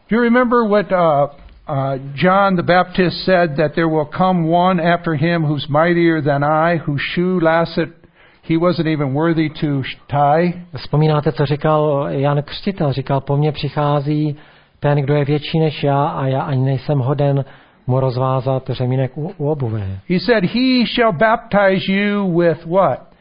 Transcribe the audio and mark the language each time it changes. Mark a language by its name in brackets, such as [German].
[English] Do you remember what John the Baptist said, that there will come one after him who's mightier than I, whose shoe lasset He wasn't even worthy to tie. [Czech] Vzpomínáte, co říkal Jan Křtitel? Říkal, po mně přichází ten, kdo je větší než já, a já ani nejsem hoden mu rozvázat řemínek u obuve. [English] He said, he shall baptize you with what?